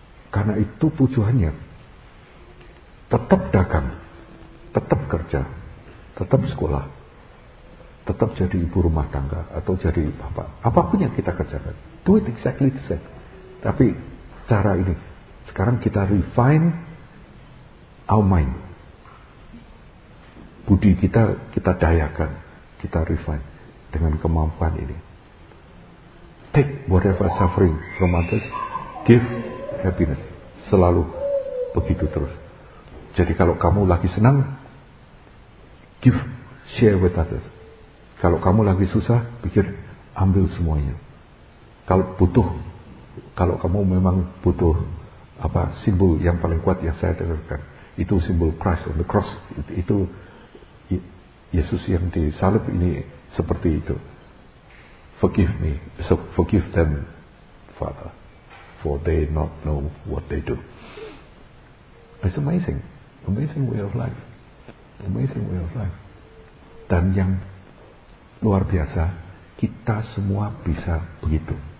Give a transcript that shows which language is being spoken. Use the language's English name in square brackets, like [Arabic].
[Indonesian] Karena itu tujuannya, tetap dagang, tetap kerja, tetap sekolah, tetap jadi ibu rumah tangga, atau jadi bapak, apapun yang kita kerjakan, [English] do it exactly the same. [Indonesian] Tapi cara ini, sekarang kita [English] refine our mind. [Indonesian] Budi kita, kita dayakan, kita refine dengan kemampuan ini. [English] Take whatever suffering from others, give happiness. [Indonesian] Selalu begitu terus. Jadi kalau kamu lagi senang, [English] give, share with others. [Indonesian] Kalau kamu lagi susah, pikir, ambil semuanya. Kalau butuh, kalau kamu memang butuh apa simbol yang paling kuat yang saya dengarkan, itu simbol [English] Christ on the cross, [Indonesian] itu Yesus yang disalib ini seperti itu. [English] Forgive me, so forgive them, Father, for they not know what they do. It's amazing, amazing way of life, amazing way of life. [Indonesian] Dan yang luar biasa, kita semua bisa begitu.